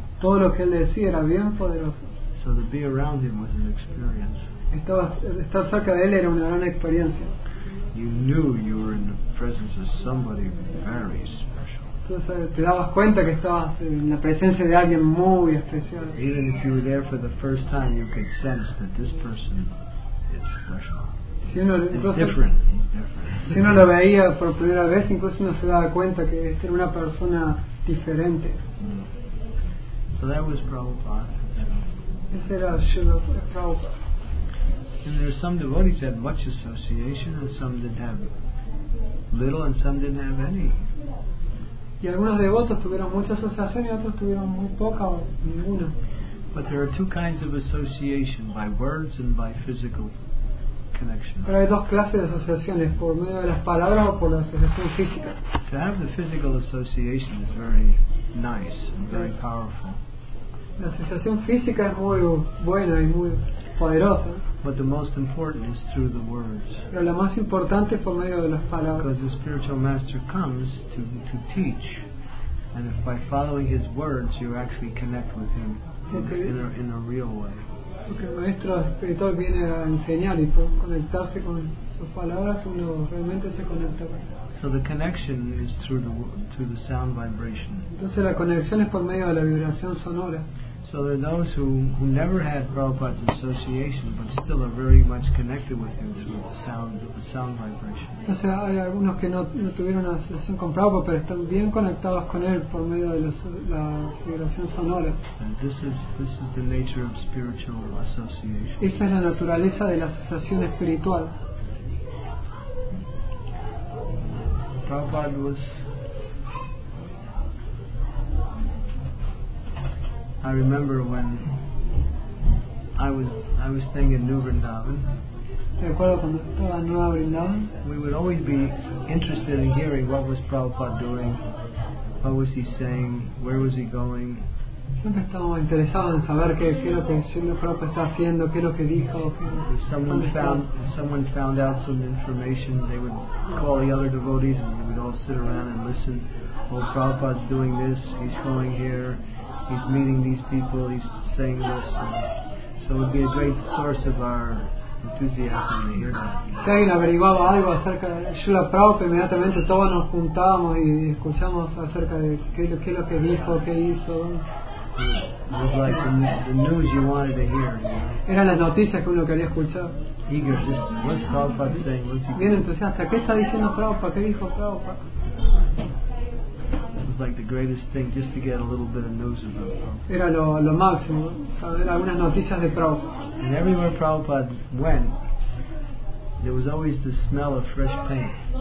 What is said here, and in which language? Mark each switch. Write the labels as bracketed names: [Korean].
[Spanish] Todo lo que él decía era bien poderoso. [English] So to be around him was an experience. [Spanish] Estar cerca de él era una gran experiencia. [English] You knew you were in the presence of somebody very special. [Spanish] Entonces te dabas cuenta que estabas en la presencia de alguien muy especial. [English] Even if you were there for the first time, you could sense that this person is special. [Spanish] Si uno lo veía por primera vez, incluso uno se daba cuenta que este era una persona diferente. [English] So that was Prabhupada. [Spanish] Ese era Srila Prabhupada. [English] And there are some devotees that had much association, and some didn't have little, and some didn't have any. [Spanish] Y algunos devotos tuvieron mucha asociación y otros tuvieron muy poca o ninguna. [English] But there are two kinds of association, by words and by physical. [Spanish] Pero hay dos clases de asociaciones, por medio de las palabras o por la asociación física. [English] To have the physical association is very nice and very powerful. [Spanish] La asociación física es muy buena y muy poderosa. [English] But the most important is through the words. [Spanish] Pero la más importante es por medio de las palabras. [English] Because the spiritual master comes to teach, and if by following his words you actually connect with him in a real way. [Spanish] Porque el maestro espiritual viene a enseñar y por conectarse con sus palabras uno realmente se conecta con él. [English] So the connection is through the sound vibration. [Spanish] Entonces la conexión es por medio de la vibración sonora. [English] So there are those who never had Prabhupada's association but still are very much connected with him through the sound vibration. [Spanish] Entonces hay algunos que no tuvieron una asociación con Prabhupada pero están bien conectados con él por medio de la vibración sonora. [English] And this is the nature of spiritual association. [Spanish] Esa es la naturaleza de la asociación espiritual. [English] Prabhupada was. I remember when I was staying in New Vrindavan. [Spanish] ¿Te acuerdas cuando estaba en Nueva Vrindavan? [English] We would always be interested in hearing what was Prabhupada doing, what was he saying, where was he going. [Spanish] Siempre estábamos interesados en saber qué es lo que Srila Prabhupada está haciendo, qué es lo que dijo. [English] If someone found out some information, they would call the other devotees and we would all sit around and listen. Oh, Prabhupada's doing this, he's going here. He's meeting these people, he's saying this, so it would be a great source of our enthusiasm to hear that. [Spanish] Si alguien averiguaba algo acerca de Srila Prabhupada, inmediatamente todos nos juntábamos y escuchamos acerca de qué es lo que dijo, qué hizo. [English] It was like the news you wanted to hear. [Spanish] Eran las noticias que uno quería escuchar. [English] Eager, just, what's Prabhupada saying? What's he [Spanish] bien entusiasta, ¿qué está diciendo Prabhupada? ¿Qué dijo Prabhupada? [English] Like the greatest thing, just to get a little bit of news about Prabhupada. [Spanish] Era lo máximo, saber algunas noticias de Prabhupada. [English] And everywhere Prabhupada went, there was always the smell of fresh paint.